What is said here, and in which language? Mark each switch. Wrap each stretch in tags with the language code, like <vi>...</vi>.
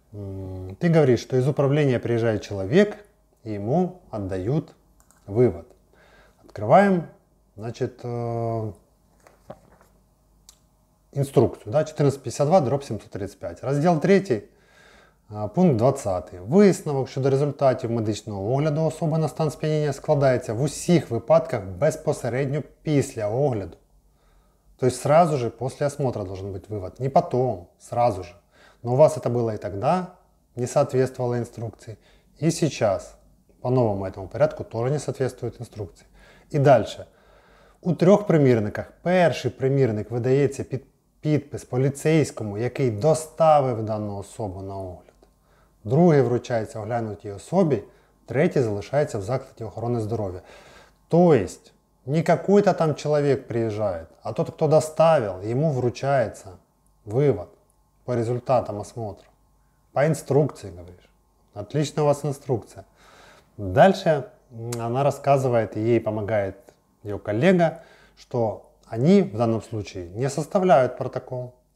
<ru>Ты говоришь, что из управления приезжает человек, и ему отдают вывод. Открываем, значит, инструкцию, да, 1452/735. Раздел 3, пункт 20.</ru> <uk>Висновок щодо результатів медичного огляду особи на стан сп'яніння складається в усіх випадках безпосередньо після огляду.</uk> <ru>То есть сразу же после осмотра должен быть вывод. Не потом, сразу же. Но у вас это было и тогда, не соответствовало инструкции. И сейчас, по новому этому порядку, тоже не соответствует инструкции. И дальше.</ru> <uk>У трьох примірниках перший примірник видається під підпис поліцейському, який доставив дану особу на огляд. Другий вручається оглянутій особі, третій залишається в закладі охорони здоров'я.</uk> <ru>То есть, не какой-то там человек приезжает, а тот, кто доставил, ему вручается вывод по результатам осмотра. По инструкции, говоришь. Отлично у вас инструкция. Дальше она рассказывает, и ей помогает ее коллега, что они в данном случае не составляют протокол.</ru>